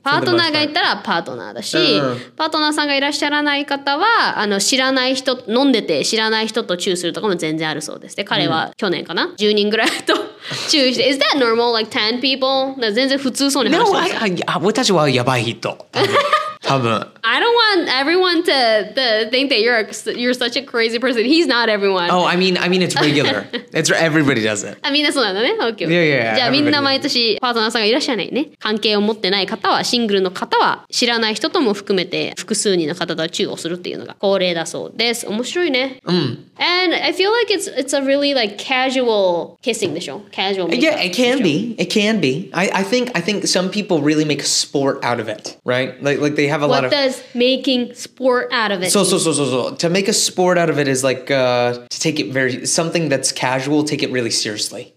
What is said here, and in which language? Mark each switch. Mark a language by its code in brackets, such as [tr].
[ja] パートナーがいたらパートナーだし、パートナーさんがいらっしゃらない方はあの知らない人飲んでて知らない人とチューするとかも全然あるそうです。で彼は去年かな、うん、10人ぐらいとチューして。 [en] Is that normal? Like 10 people? [ja] 全然普通そうに話してる。No, 私はやばい。 [en] I don't want everyone to think that you're such a crazy person. He's not everyone. Oh, I mean it's regular. It's everybody does it. [ja] みんなそうなんだね。OK. [en] Yeah, yeah. [ja] じゃあみんな毎年パートナーさんがいらっしゃらないね。関係を持ってない方はシングルの方は知らない人とも含めて複数人の方とチューをするっていうのが恒例だそうです。面白いね。うん。 [en] And I feel like it's a really like casual kissing, でしょ? Casual. Yeah, it can be. It can be. I think some people really make a sport out of it, right? Like they have a lot of. What does making sport out of it? So. To make a sport out of it is like to take it very something that's casual, take it really seriously.